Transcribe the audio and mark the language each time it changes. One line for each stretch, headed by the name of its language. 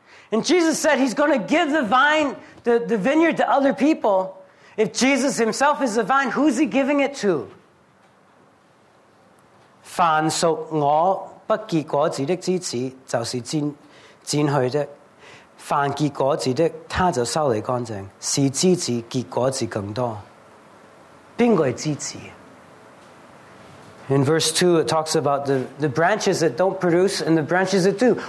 English: And Jesus said he's going to give the vine, the vineyard to other people. If Jesus himself is the vine, who's he giving it to?
Chinese: 凡属我不结果子的枝子，就是剪去的；凡结果子的，他就修理干净，使枝子结果子更多。誰是枝子?
English: In verse 2, it talks about the branches that don't produce and the branches that do.